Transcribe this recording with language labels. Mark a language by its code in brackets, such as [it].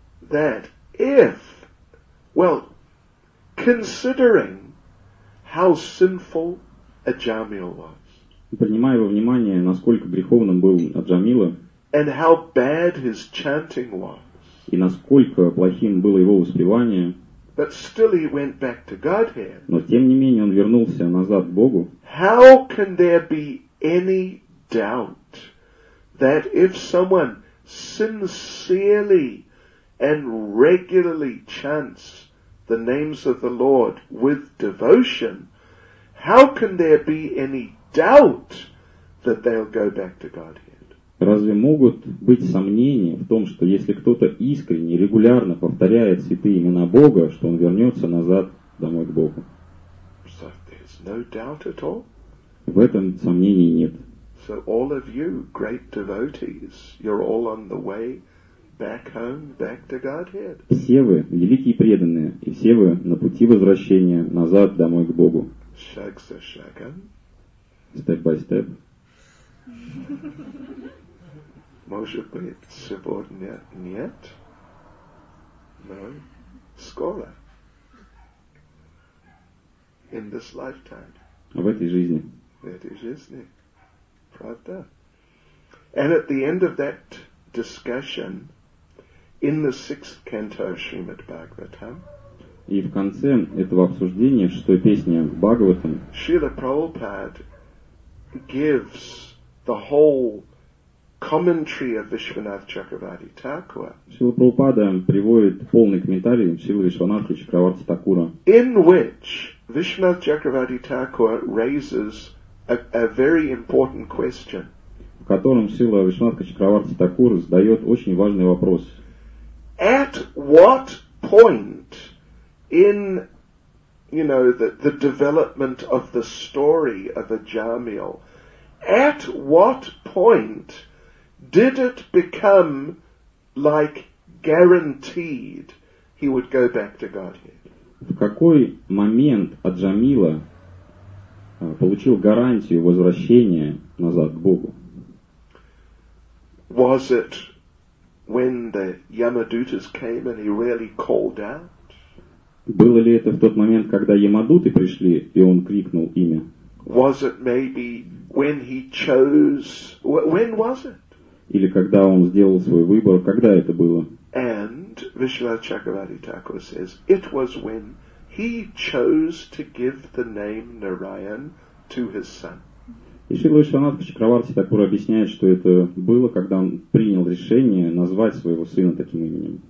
[en] that if, well, considering how sinful Аджамил was. [ru] Принимая во внимание, насколько греховным был Аджамила, [en] and how bad his chanting was. [ru] И насколько плохим было его воспевание. [en] But still he went back to Godhead. [ru] Но тем не менее он вернулся назад к Богу. [en] How can there be any doubt that if someone sincerely and regularly chants the names of the Lord with devotion, how can there be any doubt that they'll go back to Godhead? [ru] Разве могут быть сомнения в том, что если кто-то искренне и регулярно повторяет святые имена Бога, что он вернется назад домой к Богу? [en] So there's no doubt at all. [ru] В этом сомнений нет. [en] So all of you great devotees, you're all on the way back home, back to Godhead. [ru] Все вы великие преданные, и все вы на пути возвращения назад домой к Богу. Шаг за шагом. [en] Step by step. [ru] Может быть, сегодня нет, но скоро. [en] In this lifetime. [ru] В этой жизни. В этой жизни. Правда? [en] And at the end of that discussion, in the sixth canto of Srimad Bhagavatam, [ru] и в конце этого обсуждения, шестой песни Бхагаватам, [en] Шрила Прабхупад gives the whole commentary of Вишванатха Чакраварти Такура. [ru] Шрила Прабхупада приводит полный комментарий Шрилы Вишванатха Чакраварти Такура, [en] in which Вишванатха Чакраварти Такура raises a very important question, [ru] в котором Шрила Вишванатха Чакраварти Такура задает очень важный вопрос. [en] At what point in, you know, the development of the story of Аджамил, at what point did it become like guaranteed he would go back to Godhead? [ru] В какой момент Аджамила получил гарантию возвращения назад к Богу? [en] Was it when the Yamadutas came and he really called out? [ru] Было ли это в тот момент, когда Ямадуты пришли, и он крикнул имя? [en] Was it maybe when he chose, when was it? [ru] Или когда он сделал свой выбор, когда это было? [en] And Вишванатха Чакраварти Такура says, it was when he chose to give the name Narayan to his son. [ru] И Шрила Вишванатха Чакраварти Такура объясняет, что это было, когда он принял решение назвать своего сына таким именем.